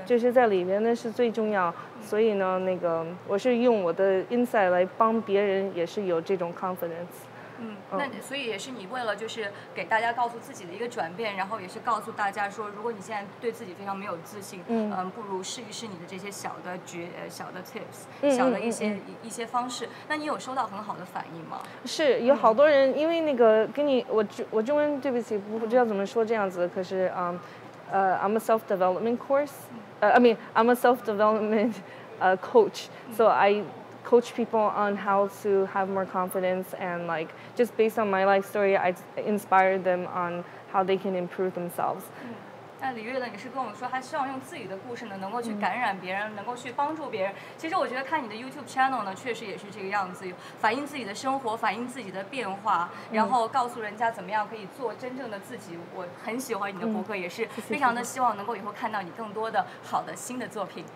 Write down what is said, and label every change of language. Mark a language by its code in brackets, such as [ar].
[zh] 就是在里面那是最重要，所以呢那个我是用我的 inside 来帮别人，也是有这种 confidence。所以也是你为了就是给大家告诉自己的一个转变，然后也是告诉大家说，如果你现在对自己非常没有自信，不如试一试你的这些小的小的 tips， 小的一些方式。那你有收到很好的反应吗？是有好多人，因为那个跟你我中文对不起不知道怎么说这样子，可是 [en] I'm a self development course， I'm a self development coach， so I coach people on how to have more confidence and like just based on my life story， I inspire them on how they can improve themselves。 [zh] 那李月呢，也是跟我们说他希望用自己的故事呢能够去感染别人，能够去帮助别人。其实我觉得看你的 YouTube channel 呢确实也是这个样子，反映自己的生活，反映自己的变化，然后告诉人家怎么样可以做真正的自己。我很喜欢你的博客，也是非常的希望能够以后看到你更多的好的新的作品。